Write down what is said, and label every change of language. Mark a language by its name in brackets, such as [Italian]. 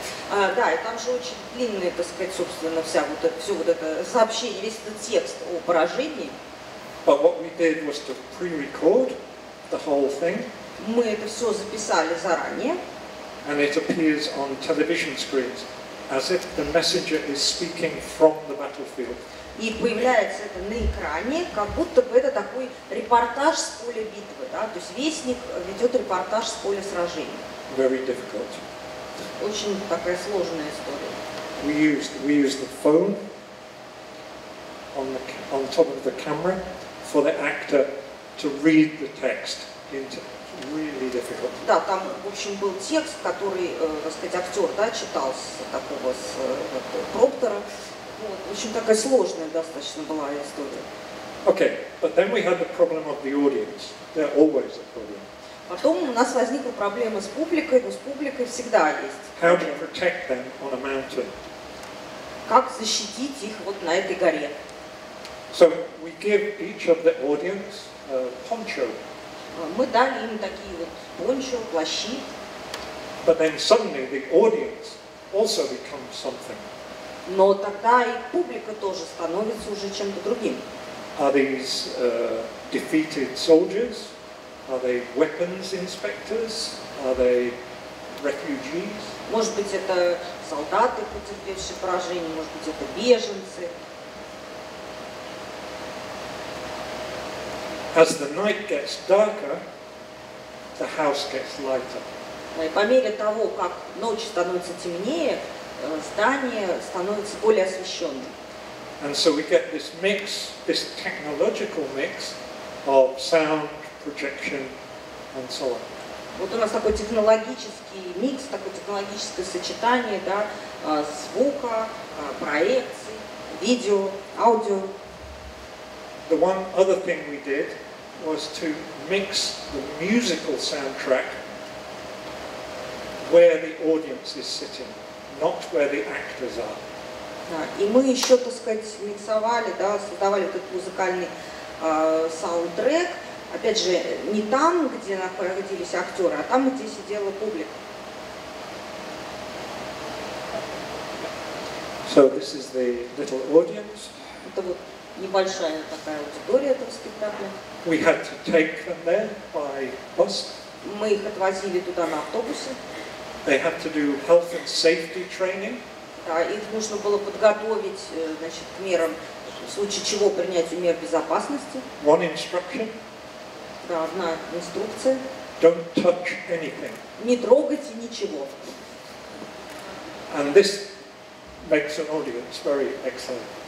[Russian] Да, и там же очень длинное, так сказать, собственно, вся вот это, все вот это сообщение, весь этот текст о поражении. [English] But what we did was to pre-record the whole thing. [Russian] Мы это все записали заранее. [English] And it appears on television screens as if the messenger is speaking from the battlefield. [Russian] И появляется это на экране, как будто бы это такой репортаж с поля битвы, да, то есть вестник ведет репортаж с поля сражения. [English] Very difficult. [Russian] Очень такая сложная история. [English] We used the phone on top of the camera for the actor to read the text into. Really difficult. [Russian] Да, там в общем был текст, который, так сказать, актер, да, читал с такого с проптера. Вот. В общем, такая сложная достаточно была история. [English] Okay, but then we had the problem of the audience. They're always a problem. [Russian] Потом у нас возникла проблема с публикой, но с публикой всегда есть. [English] How do you protect them on a mountain? [Russian] Как защитить их вот на этой горе? [English] So we give each of the audience a poncho. [Russian] Мы дали им такие вот пончо, плащи. [English] But then suddenly the audience also becomes something. [Russian] Но тогда и публика тоже становится уже чем-то другим. [English] Are these defeated soldiers? Are they weapons inspectors? Are they refugees? [Russian] Может быть, это солдаты, потерпевшие поражение, может быть, это беженцы. [English] As the night gets darker, the house gets lighter. [Russian] По мере того, как ночь становится темнее, здание становится более освещенным. [English] And so we get this mix, this technological mix of sound, projection, and so on. [Russian] Вот у нас такой технологический микс, такое технологическое сочетание, да, звука, проекции, видео, аудио. [English] The one other thing we did was to mix the musical soundtrack where the audience is sitting, not where the actors are. [Russian] И мы еще, так сказать, миксовали, да, создавали этот музыкальный саундтрек, опять же, не там, где находились актеры, а там, где сидела публика. [English] So this is the little audience. [Russian] Это вот небольшая такая аудитория этого спектакля. [English] We had to take them there by bus. [Russian] Мы их отвозили туда на автобусе. [English] They had to do health and safety training. [Russian] Да, их нужно было подготовить, значит, к мерам, в случае чего принять меры безопасности. [English] One instruction. [Russian] Да, одна инструкция. [English] Don't touch anything. [Russian] Не трогайте ничего. [English] And this makes an audience very excited.